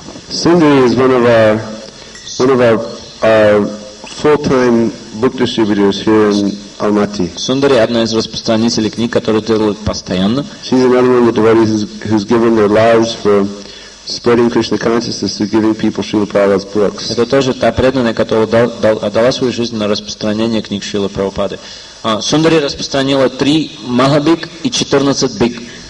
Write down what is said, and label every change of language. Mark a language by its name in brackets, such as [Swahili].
[English] Сундари is one of our full-time book distributors here in Almaty. [Russian] Сундари одна из распространителей книг, которые делают постоянно. [English] She's another one of the devotees who's given their lives for spreading Krishna consciousness through giving people Srila Prabhupada's books. [Russian] Это тоже та преданная, которая отдала свою жизнь на распространение книг Шрилы Прабхупады. Сундари распространила 3 Махабиг и 14 Биг.